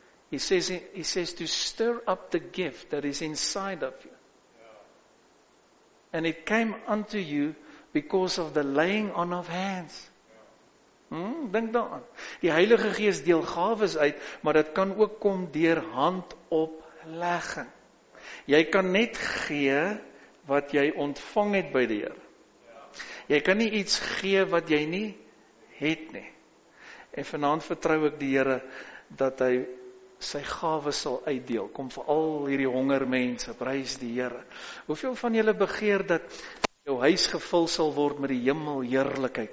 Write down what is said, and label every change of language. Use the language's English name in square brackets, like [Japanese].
[English] He says to stir up the gift that is inside of you. And it came unto you because of the laying on of hands. [Afrikaans] Dink daaraan. Die Heilige Gees deel gawes uit, maar dit kan ook kom deur handoplegging. Jy kan net gee wat jy ontvang het by die Here. Jy kan nie iets gee wat jy nie het nie. En vanaand vertrou ek die Here dat hy sy gawes sal uitdeel. Kom vir al hierdie honger mense, prys die Here. Hoeveel van julle begeer dat jou huis gevul sal word met die hemel heerlikheid?